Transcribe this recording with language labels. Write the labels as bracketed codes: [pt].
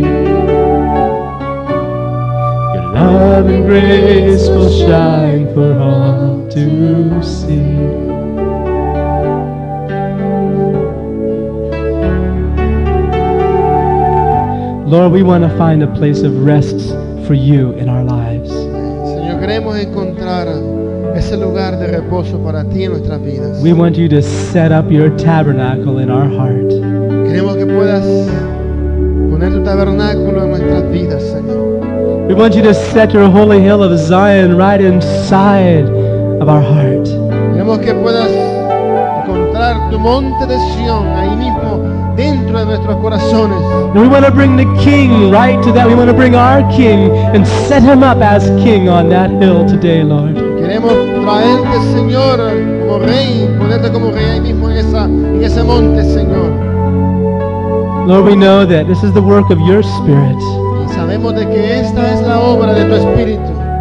[en] Your love and grace will shine for all to see. Lord, we want to find a place of rest for you in our lives. [es] Señor, queremos encontrar ese lugar de reposo para ti en nuestras vidas. [en] We want you to set up your tabernacle in our heart. [es] Queremos que puedas poner tu tabernáculo en nuestras vidas, Señor. [en] We want you to set your holy hill of Zion right inside of our heart. [es] Queremos que puedas encontrar tu monte de Sion ahí mismo dentro de nuestros corazones. [en] And we want to bring the king right to that. We want to bring our king and set him up as king on that hill today, Lord. [es] Queremos traerte, Señor, como rey, ponerte como rey ahí mismo en ese monte, Señor. [en] Lord, we know that this is the work of your spirit. [es] Y sabemos de que esta es la obra de tu espíritu.